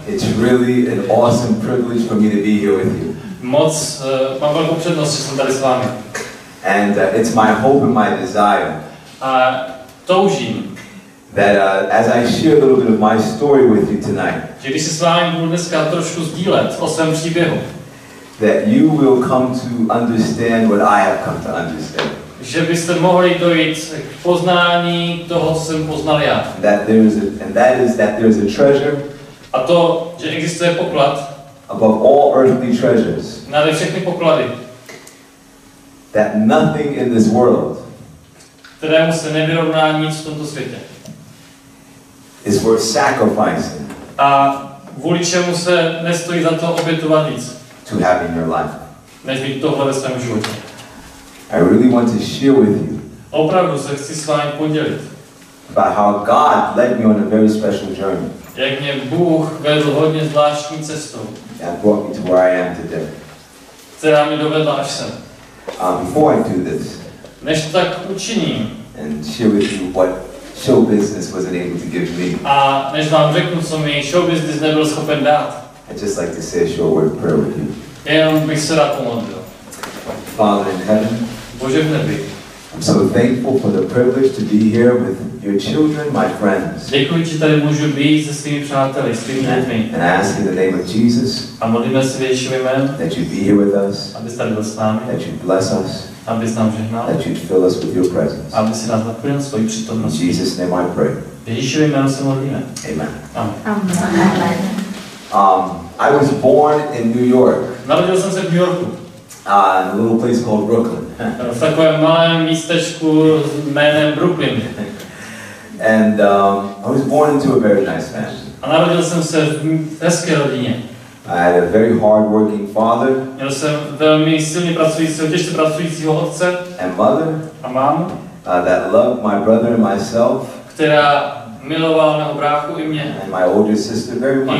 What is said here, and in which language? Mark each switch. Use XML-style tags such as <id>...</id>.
<en>It's really an awesome privilege for me to be here with you.</en> <cs>Moc mám velkou přednost, že jsem tady s vámi.</cs> <en>And it's my hope and my desire.</en> <cs>A toužím.</cs> <en>That as I share a little bit of my story with you tonight.</en> <cs>Že když se s vámi budu dneska trošku sdílet o svém příběhu.</cs> <en>That you will come to understand what I have come to understand.</en> <cs>Že byste mohli dojít k poznání toho, co jsem poznal já.</cs> <en>That there is a treasure.</en> <cs>A to, že existuje poklad.</cs> <en>Above all earthly treasures.</en> <cs>Nad všechny poklady.</cs> <en>That nothing in this world.</en> <cs>Kterému se nevyrovná nic v tomto světě.</cs> <en>Is worth sacrificing.</en> <cs>A vůli čemu se nestojí za to obětovat nic.</cs> <en>To have in your life.</en> <cs>Než mít tohle ve svém životě.</cs> <en>I really want to share with you.</en> <cs>Opravdu se chci s vámi podělit.</cs> <en>About how God led me on a very special journey.</en> <cs>Jak mě Bůh vedl hodně zvláštní cestou.</cs> <en>That brought me to where I am today.</en> <cs>Která mě dovedla až sem.</cs> <en>Before I do this.</en> <cs>Než to tak učiním.</cs> <en>And share with you what show business wasn't able to give me.</en> <cs>A než vám řeknu, co mi show business nebyl schopen dát.</cs> <en>I'd just like to say a short word of prayer with you.</en> <cs>Jenom bych se rád pomodlil.</cs> <en>Father in heaven.</en> <cs>Bože v nebi.</cs> <en>I'm so thankful for the privilege to be here with your children, my friends.</en> <cs>Děkuji, že tady můžu být se svými přáteli, svými lidmi.</cs> <en>And I ask in the name of Jesus.</en> <cs>A modlíme se v Ježíšově jménu.</cs> <en>That you'd be here with us.</en> <cs>Abys tady byl s námi.</cs> <en>That you'd bless us.</en> <cs>Abys nám žehnal.</cs> <en>That you'd fill us with your presence.</en> <cs>Aby si nás naplnil svojí přítomností.</cs> <en>In Jesus' name I pray.</en> <cs>V Ježíšově jménu se modlíme.</cs> <en>Amen.</en> <cs>Amen. Amen.</cs> <en>I was born in New York.</en> <cs>Narodil jsem se v New Yorku.</cs> <en>In a little place called Brooklyn.</en> <cs>V takové malém místečku jménem Brooklyn.</cs> <en>And I was born into a very nice family.</en> <cs>A narodil jsem se v hezké rodině.</cs> <en>I had a very hard-working father.</en> <cs>Měl jsem velmi silně pracujícího, těžce pracujícího otce.</cs> <en>And mother.</en> <cs>A mámu.</cs> <en>That loved my brother and myself.</en> <cs>Která miloval mého bráchu i mě.</cs> <en>And my older sister very much.</en>